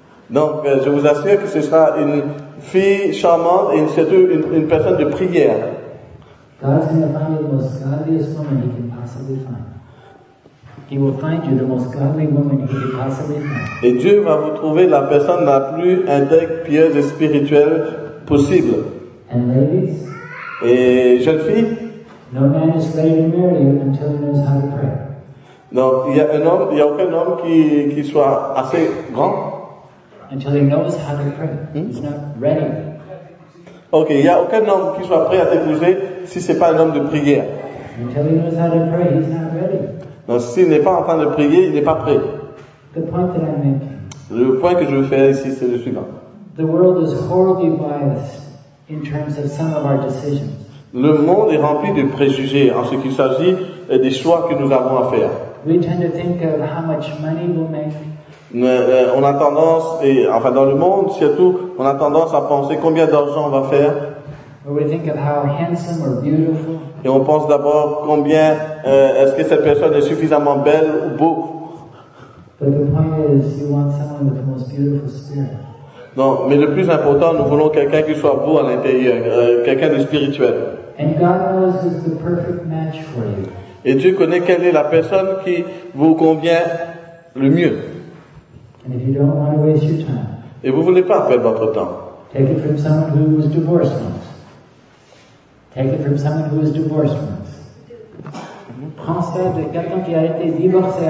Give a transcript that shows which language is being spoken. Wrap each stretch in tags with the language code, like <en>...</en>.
<fr>Donc, je vous assure que ce sera une fille charmante et surtout une personne de prière.</fr> <en>God's going to find you the most godliest woman he can possibly find. He will find you the most godly woman he can possibly find.</en> <fr>Et Dieu va vous trouver la personne la plus intègre, pieuse et spirituelle possible.</fr> <en>And ladies?</en> <fr>Et jeune fille?</fr> <en>No man is ready to marry you until he knows how to pray.</en> <fr>Donc, il y a aucun homme qui soit assez grand.</fr> <en>Until he knows how to pray. He's not ready.</en> <fr>Ok, il y a aucun homme qui soit prêt à t'épouser si c'est pas un homme de prière.</fr> <en>Until he knows how to pray, he's not ready.</en> <fr>Donc, s'il n'est pas en train de prier, il n'est pas prêt.</fr> <en>The point that I make.</en> <fr>Le point que je veux faire ici, c'est le suivant.</fr> <en>The world is horribly biased in terms of some of our decisions.</en> <fr>Le monde est rempli de préjugés en ce qu'il s'agit des choix que nous avons à faire.</fr> <en>We tend to think of how much money we'll make.</en> <fr>On a tendance, et enfin dans le monde surtout, on a tendance à penser combien d'argent on va faire.</fr> <en>Or we think of how handsome or beautiful.</en> <fr>Et on pense d'abord combien est-ce que cette personne est suffisamment belle ou beau.</fr> <en>But the point is, you want someone with the most beautiful spirit.</en> <fr>Non, mais le plus important, nous voulons quelqu'un qui soit beau à l'intérieur, quelqu'un de spirituel.</fr> <en>And God knows is the perfect match for you.</en> <fr>Et Dieu connaît quelle est la personne qui vous convient le mieux.</fr> <en>And if you don't want to waste your time,</en> <fr>et vous ne voulez pas perdre votre temps.</fr> <en>Take it from someone who was divorced once. Take it from someone who was divorced once.</en> <fr>Prends ça de quelqu'un qui a été divorcé.</fr>